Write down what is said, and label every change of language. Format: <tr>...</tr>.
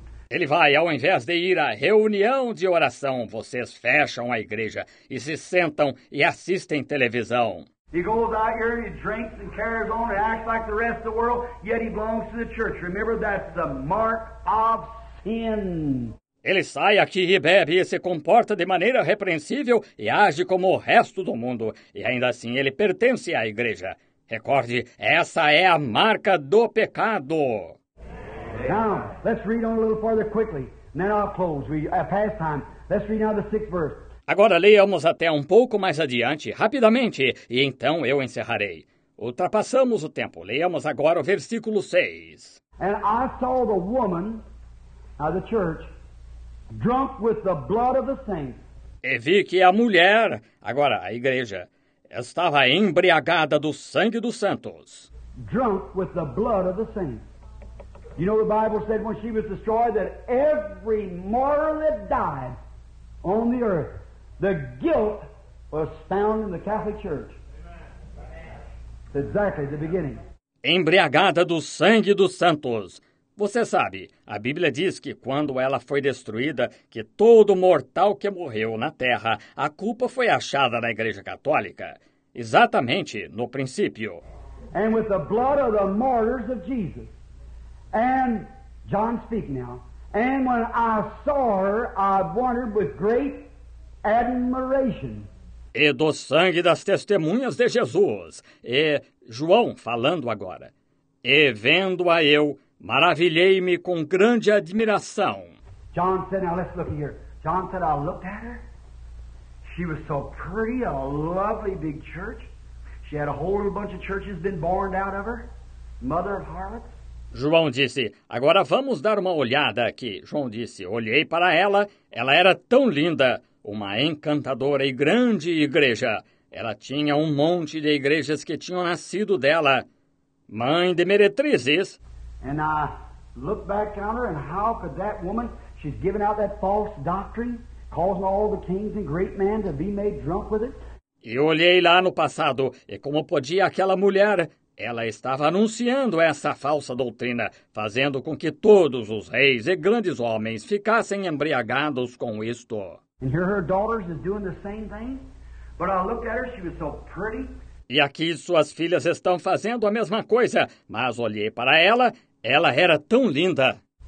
<pt>Ele vai, ao invés de ir à reunião de oração, vocês fecham a igreja e se sentam e assistem televisão.</pt> <en>He goes out here, he drinks and carries on and acts like the rest of the world, yet he belongs to the church. Remember, that's the mark of sin.</en> <pt>Ele sai aqui e bebe e se comporta de maneira repreensível e age como o resto do mundo. E ainda assim ele pertence à igreja. Recorde, essa é a marca do pecado.</pt> <en>Now, let's read on a little further quickly. And then I'll close. We have past time. Let's read now the 6th verse.</en> <pt>Agora leamos até um pouco mais adiante, rapidamente, e então eu encerrarei. Ultrapassamos o tempo. Leamos agora o versículo 6.</pt> <en>And I saw the woman of the church drunk with the blood of the saints,</en> <pt>e vi que a mulher, agora a igreja, estava embriagada do sangue dos santos.</pt> <en>Drunk with the blood of the saints. You know the Bible said when she was destroyed that every mortal that died on the earth, the guilt was found in the Catholic Church. Amen. Exactly the beginning.</en> <pt>Embriagada do sangue dos santos. Você sabe, a Bíblia diz que quando ela foi destruída, que todo mortal que morreu na terra, a culpa foi achada na Igreja Católica. Exatamente no princípio.</pt> <en>And with the blood of the martyrs of Jesus. And John speak now. And when I saw her, I wondered with great admiration.</en> <pt>E do sangue das testemunhas de Jesus. E João falando agora. E vendo-a eu, maravilhei-me com grande admiração.</pt> <en>John said, now let's look here. John said, I looked at her. She was so pretty, a lovely big church. She had a whole little bunch of churches been born out of her. Mother of harlots.</en> <pt>João disse, agora vamos dar uma olhada aqui. João disse, olhei para ela. Ela era tão linda. Uma encantadora e grande igreja. Ela tinha um monte de igrejas que tinham nascido dela. Mãe de meretrizes.</pt> <en>And I look back on her, and how could that woman, she's given out that false doctrine, causing all the kings and great men to be made drunk with it?</en> <pt>E olhei lá no passado, e como podia aquela mulher? Ela estava anunciando essa falsa doutrina, fazendo com que todos os reis e grandes homens ficassem embriagados com isto.</pt> <en>And here her daughters is doing the same thing. But I looked at her, she was so pretty.</en> <pt>E aqui suas filhas estão fazendo a mesma coisa, mas olhei para ela, ela era tão linda.</pt>